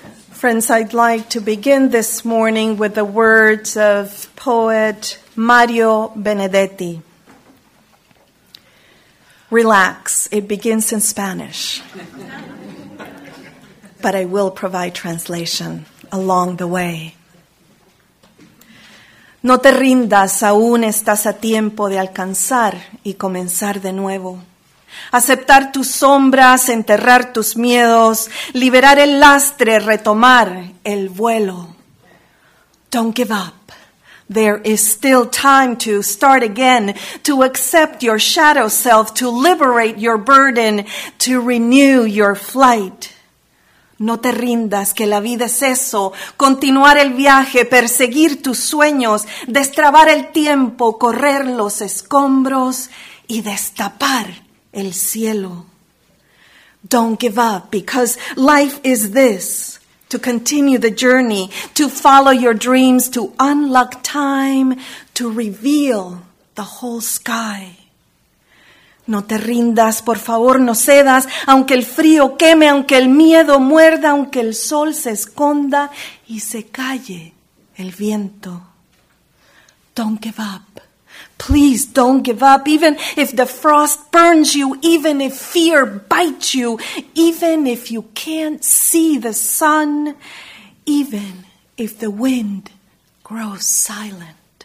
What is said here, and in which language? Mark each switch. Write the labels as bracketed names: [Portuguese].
[English] Friends, I'd like to begin this morning with the words of poet Mario Benedetti. Relax, it begins in Spanish. But I will provide translation along the way. [Spanish] No te rindas, aún estás a tiempo de alcanzar y comenzar de nuevo. Aceptar tus sombras, enterrar tus miedos, liberar el lastre, retomar el vuelo. [English] Don't give up. There is still time to start again, to accept your shadow self, to liberate your burden, to renew your flight. [Spanish] No te rindas, que la vida es eso, continuar el viaje, perseguir tus sueños, destrabar el tiempo, correr los escombros y destapar el cielo. [English] Don't give up, because life is this, to continue the journey, to follow your dreams, to unlock time, to reveal the whole sky. [Spanish] No te rindas, por favor, no cedas, aunque el frío queme, aunque el miedo muerda, aunque el sol se esconda y se calle el viento. [English] Don't give up. Please don't give up, even if the frost burns you, even if fear bites you, even if you can't see the sun, even if the wind grows silent.